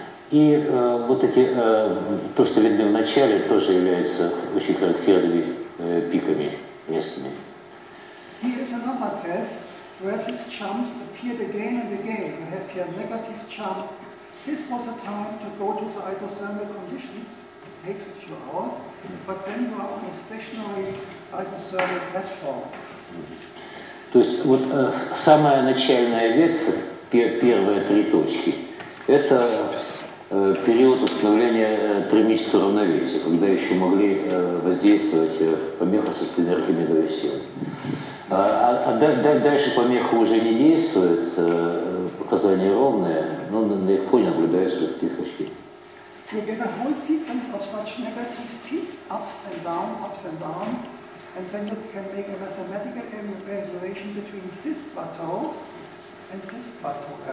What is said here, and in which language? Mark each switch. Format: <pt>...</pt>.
<ru>Вот эти то, что видно в начале, тоже является очень характерными пиками резкими.</ru> <en>Here is another test where these chumps appeared again and again. We have here negative chump. This was a time to go to the isothermal conditions. It takes a few hours, but then you are on a stationary isothermal platform.</en> <ru>То есть вот самая начальная ветвь, первые три точки, это период установления термического равновесия, когда еще могли воздействовать помеха со стороны Архимедовой силы. Дальше помеха уже не действует, показания ровные, но на их фоне наблюдаются какие-то скачки.</ru> <en>You get a whole sequence of such negative peaks, ups and down, and then you can make a mathematical evaluation between this plateau and this plateau.</en>